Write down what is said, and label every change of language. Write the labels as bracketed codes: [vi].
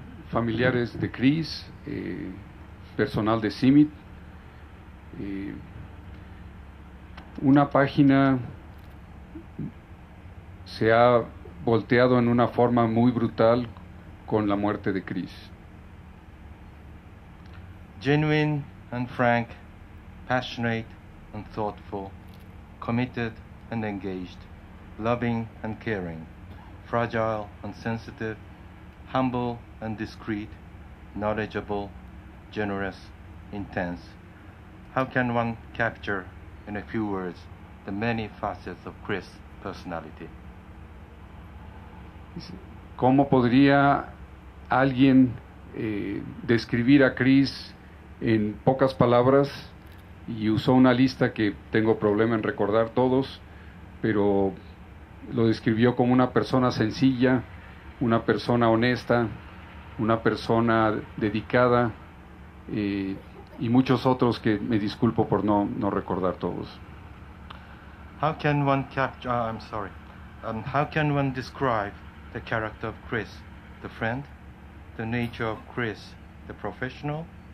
[es] Familiares de Chris, personal de Simit, una página se ha volteado en una forma muy brutal con la muerte de Chris. [en] Genuine and frank, passionate and thoughtful, committed and engaged, loving and caring, fragile and sensitive, humble and discreet, knowledgeable, generous, intense. How can one capture in a few words the many facets of Chris' personality? [es] ¿Cómo podría alguien describir a Chris en pocas palabras? Y usó una lista que tengo problema en recordar todos, pero lo describió como una persona sencilla, una persona honesta, una persona dedicada, y muchos otros que me disculpo por no recordar todos. [en] How can one capture, how can one describe the character of Chris, the friend, the nature of Chris, the professional?